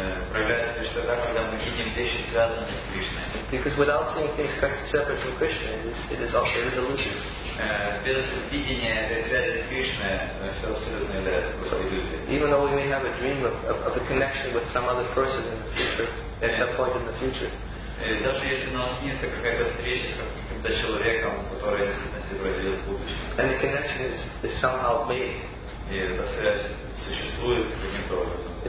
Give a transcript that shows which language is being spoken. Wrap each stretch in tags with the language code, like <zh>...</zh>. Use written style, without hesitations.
<ru>проявляется Кришна, когда мы видим вещи, связанные с Кришной.</ru> <en>Because without seeing things separate from Krishna, it is also illusion.</en> <ru>Без видения этой связи с Кришной все абсолютно является иллюзией.</ru> <en>Even though we may have a dream of a connection with some other person in the future, at some point in the future.</en> <ru>Даже если нам снится какая-то встреча с каким-то человеком, который действительно себя произведет в будущем.</ru> <en>And the connection is somehow made.</en> <ru>И эта связь существует каким-то образом.</ru>